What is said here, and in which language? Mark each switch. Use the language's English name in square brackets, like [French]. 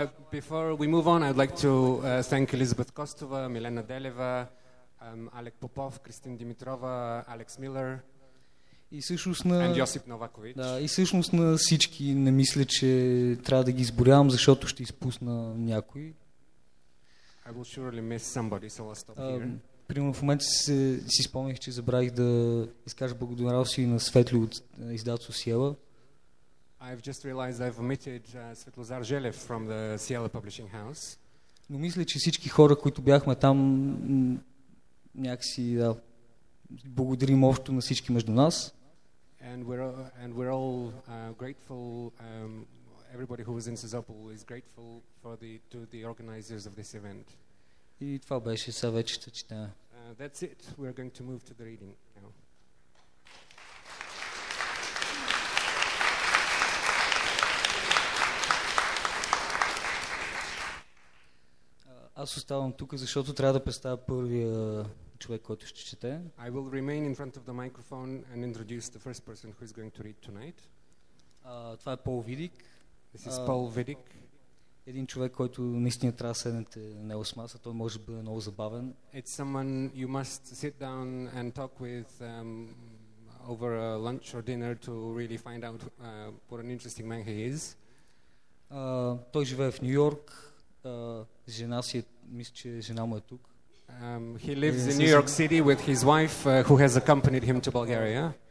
[English] Before we move on, I'd like to thank Elizabeth Kostova, Milena Deleva, Алек Попов, Кристин Димитрова, Алекс Милър [Bulgarian] и всъщност на... [English] and Йосип Новакович. [Bulgarian] Да, и всъщност на всички не мисля, че трябва да ги изборявам, защото ще изпусна някой. [English] I will surely miss somebody, so I'll stop here. [Bulgarian] Примерно в момента си спомних, че забравих да изкажа благодарал си на Светлю от издателство Сиела. [English] I've just realized I've omitted Svetlozar Zhelev from the Siela Publishing House. [Bulgarian] Но мисля, че всички хора, които бяхме там, някакси да благодарим общо на всички между нас. [English] And we're all grateful, everybody who was in Sezopol is grateful to the organizers of this event. [Bulgarian] И това беше сега вече ще чета. [English] That's it. We're going to move to the reading now. [Bulgarian] Аз оставам тук, защото трябва да представя първия човек, който ще чете. [English] I will remain in front of the microphone and introduce the first person who is going to read tonight. [Bulgarian] Това е Пол Видик. [English] This is Paul Vidic. [Bulgarian] Един човек, който наистина трябва да седнете на него с маса, той може да бъде много забавен. [English] It's someone you must sit down and talk with over a lunch or dinner to really find out what an interesting man he is. [Bulgarian] Той живее в Нью Йорк. Жена си, мисля, че жена му е тук. [English] He lives in New York City with his wife who has accompanied him to Bulgaria.